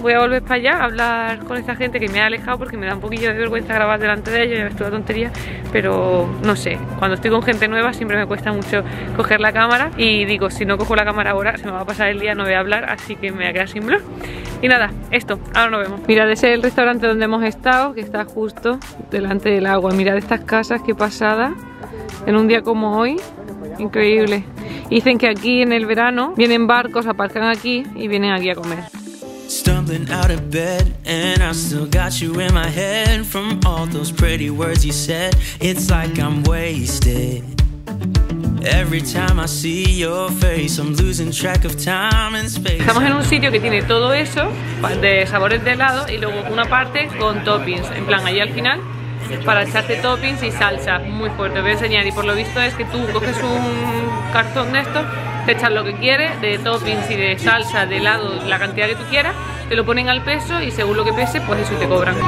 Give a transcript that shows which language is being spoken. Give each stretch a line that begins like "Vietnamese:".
Spanish: Voy a volver para allá a hablar con esta gente que me ha alejado porque me da un poquillo de vergüenza grabar delante de ellos. Ya ves, toda tontería, pero no sé, cuando estoy con gente nueva siempre me cuesta mucho coger la cámara y digo, si no cojo la cámara ahora se me va a pasar el día, no voy a hablar, así que me voy a quedar sin blog. Y nada, esto, ahora nos vemos. Mirad, ese es el restaurante donde hemos estado, que está justo delante del agua. Mirad estas casas, qué pasada, en un día como hoy, increíble. Dicen que aquí en el verano vienen barcos, aparcan aquí y vienen aquí a comer.
English: Stumbling out of bed, and I still got you in my head. From all those pretty words you said, it's like I'm wasted. Every time I see your face, I'm losing track of time and space.
Spanish: Estamos en un sitio que tiene todo eso de sabores de helado y luego una parte con toppings. En plan, ahí al final para echarte toppings y salsa. Muy fuerte, os voy a enseñar. Y por lo visto es que tú coges un cartón de estos, te echas lo que quieres de toppings y de salsa, de helado, la cantidad que tú quieras, te lo ponen al peso y según lo que pese, pues eso te cobran.